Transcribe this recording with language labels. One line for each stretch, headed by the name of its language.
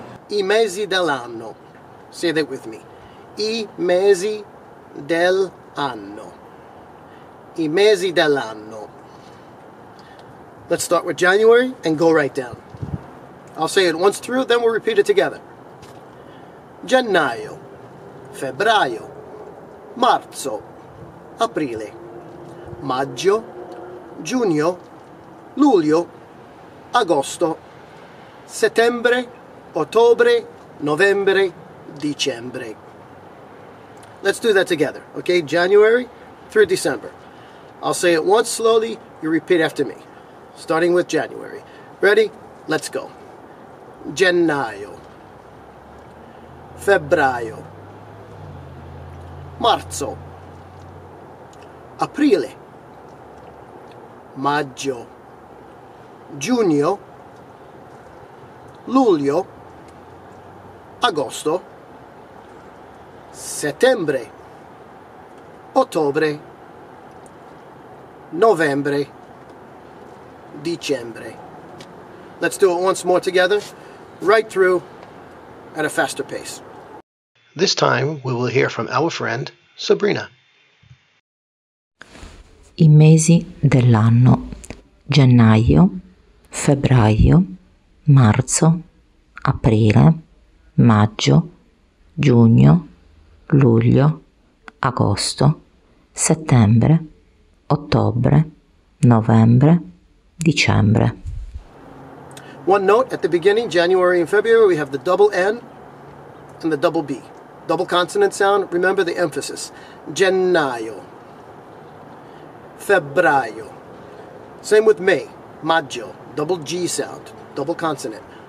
Italian: I mesi dell'anno.
English: Say that with me.
Italian: I mesi dell'anno. I mesi dell'anno.
English: Let's start with January and go right down. I'll say it once through, then we'll repeat it together.
Italian: Gennaio, febbraio, marzo, aprile, maggio, giugno, luglio, agosto, settembre, ottobre, novembre, dicembre.
English: Let's do that together, okay? January through December. I'll say it once slowly, you repeat after me, starting with January. Ready? Let's go.
Italian: Gennaio, febbraio, marzo, aprile, maggio, giugno, luglio, agosto, settembre, ottobre, novembre, dicembre.
English: Let's do it once more together, right through, at a faster pace. This time we will hear from our friend Sabrina.
Italian: I mesi dell'anno: gennaio, febbraio, marzo, aprile, maggio, giugno, luglio, agosto, settembre, ottobre, novembre, dicembre.
English: One note, at the beginning, January and February, we have the double N and the double B. Double consonant sound, remember the emphasis. Gennaio, febbraio. Same with May, maggio, double G sound, double consonant.